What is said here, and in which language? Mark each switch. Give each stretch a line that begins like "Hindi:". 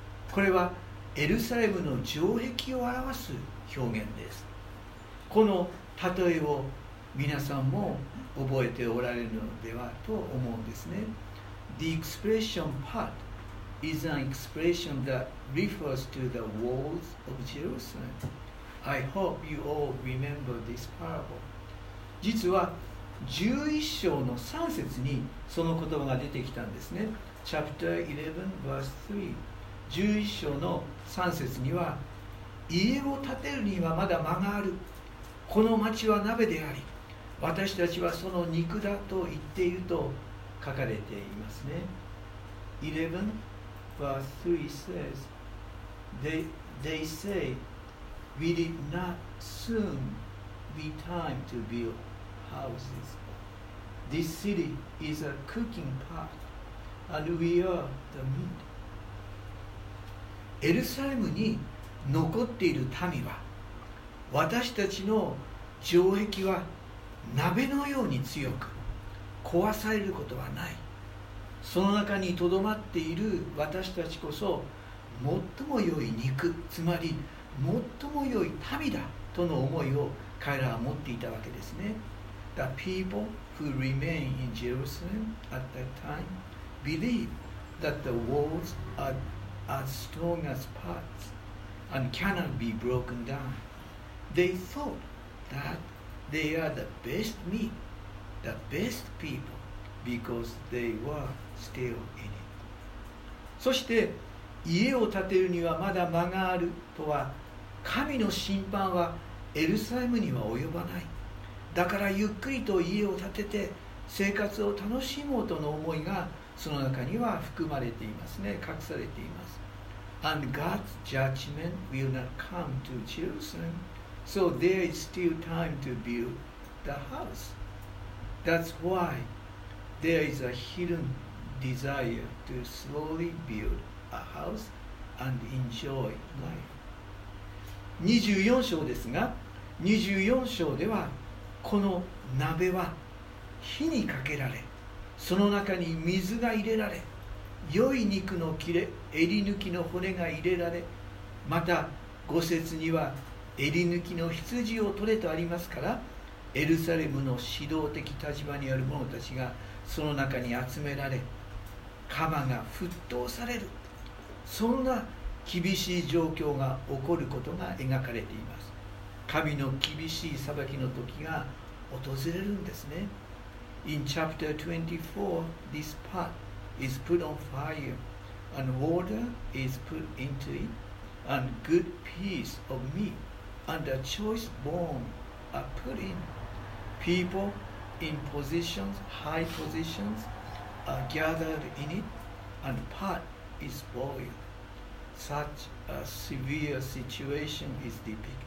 Japanese: これはエルサレムの城壁を表す表現です。この例えを皆さんも覚えておられるのではと思うんですね。
English: The expression part is an expression that refers to the walls of Jerusalem. I hope you all remember this parable.
Japanese: 実は 11章の3節にその言葉が出てきたんですね。
English: Chapter 11 verse 3
Japanese: 11章の3節には、家を建てるにはまだ間がある、この町は鍋であり私たちはその肉だと言っていると書かれていますね。
English: 11 verse 3 says they say will it not soon be time to build houses? This city is a cooking pot and we are the meat.
Japanese: エルサレムに残っている民は、私たちの城壁は鍋のように強く壊されることはない、その中にとどまっている私たちこそ最も良い肉、つまり最も良い民だとの思いを彼らは持っていたわけですね。
English: The people who remain in Jerusalem at that time believe that the walls are as strong as pots and cannot be broken down. They thought that they are the best meat, the best people, because they were still in it.
Japanese: そして家を建てるにはまだ間があるとは、神の審判はエルサレムには及ばない、だからゆっくりと家を建てて生活を楽しもうとの思いがその中には含まれていますね、隠されています。
English: And God's judgment will not come to Jerusalem, so there is still time to build the house. That's why there is a hidden desire to slowly build a house and enjoy life.
Japanese: 24章ですが、24章ではこの鍋は火にかけられ、その中に水が入れられ、良い肉の切れ、襟抜きの骨が入れられ、また五節には襟抜きの羊を取れとありますから、エルサレムの指導的立場にある者たちがその中に集められ、釜が沸騰される、そんな厳しい状況が起こることが描かれています。神の厳しい裁きの時が訪れるんですね。
English: In chapter 24 this pot is put on fire and water is put into it and good piece of meat and a choice bone are put in. People in positions, high positions are gathered in it and pot is boiledSuch a severe situation is depicted.